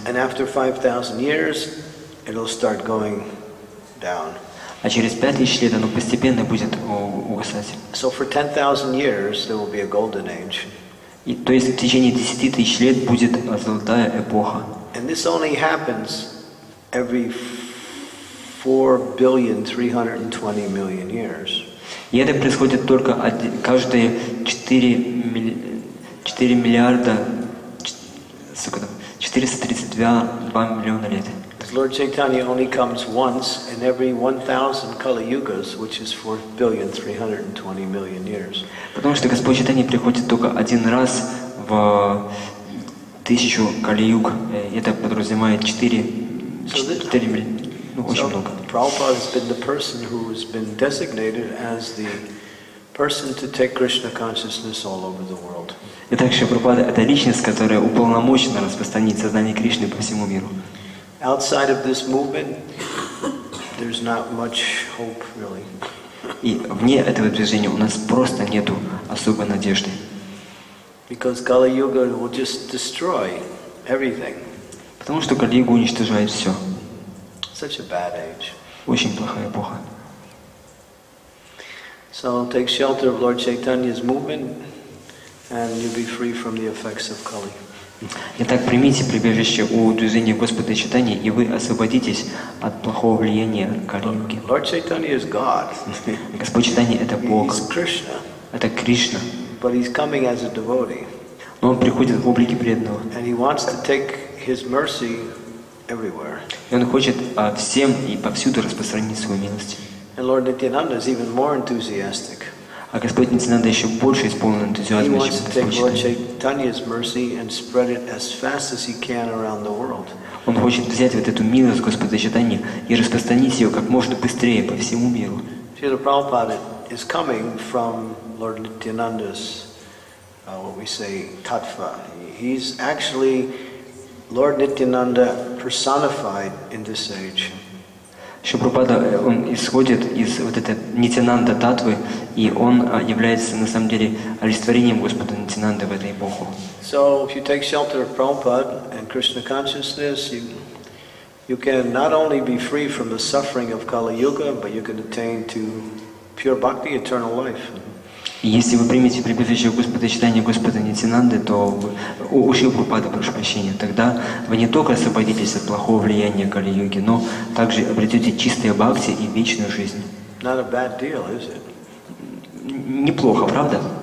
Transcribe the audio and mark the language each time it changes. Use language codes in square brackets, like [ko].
[en] And after 5,000 years, it'll start going down. [ru] А через 5000 лет оно постепенно будет угасать. [en] So for 10,000 years, there will be a golden age. [ru] И то есть в течение 10,000 лет будет золотая эпоха. [en] And this only happens every 4,320,000,000 years. [ru] И это происходит только каждые 432 миллиона лет. [en] Lord Chaitanya only comes once in every 1,000 Kali Yugas, which is 4,320,000,000 years. [ru] Потому что Господь Чайтанья приходит только один раз в тысячу Кали Юг. Это подразумевает 4 миллиарда. [en] So, Prabhupada has been the person who has been designated as the person to take Krishna consciousness all over the world. [ru] Итак, Шри Прабхупада — это личность, которая уполномочена распространить сознание Кришны по всему миру. [en] Outside of this movement, there's not much hope, really. [ru] И вне этого движения у нас просто нету особой надежды. [en] Because Kali Yuga will just destroy everything. [ru] Потому что Кали Юга уничтожает все. [en] Such a bad age. [ru] Очень плохая эпоха. [en] So take shelter of Lord Chaitanya's movement, and you'll be free from the effects of Kali. [ru] Итак, примите прибежище у движения Господа Чайтаньи, и вы освободитесь от плохого влияния Кали-юги. [en] Lord Chaitanya is God. [ru] Господь Чайтанья — это Бог. [en] He's Krishna. [ru] Это Кришна. [en] But he's coming as a devotee. [ru] Но он приходит в облике преданного. [en] And he wants to take his mercy everywhere. [ru] И он хочет всем и повсюду распространить свою милость. [en] And Lord Nityananda is even more enthusiastic. [ru] А Господь Нитянанда еще больше исполнен энтузиазмом. [en] He wants to take Lord Chaitanya's mercy and spread it as fast as he can around the world. [ru] Он хочет взять вот эту милость Господа Чайтаньи и распространить ее как можно быстрее по всему миру. [en] Srila Prabhupada is coming from Lord Nityananda's what we say tattva. He's actually Lord Nityananda personified in this age. [ru] Шри Прабхупада, он исходит из вот этой Нитянанда татвы, и он является на самом деле олицетворением Господа Нитянанды в этой эпоху. [en] So if you take shelter of Prabhupada and Krishna consciousness, you can not only be free from the suffering of Kali Yuga, but you can attain to pure bhakti, eternal life. [ru] Если вы примете прибежище Господа Чайтаньи, Господа Нитянанды, то у Шри Прабхупады, прошу прощения, тогда вы не только освободитесь от плохого влияния Кали-юги, но также обретете чистые бхакти и вечную жизнь. [en] Not a bad deal, is it? [ru] Неплохо, правда?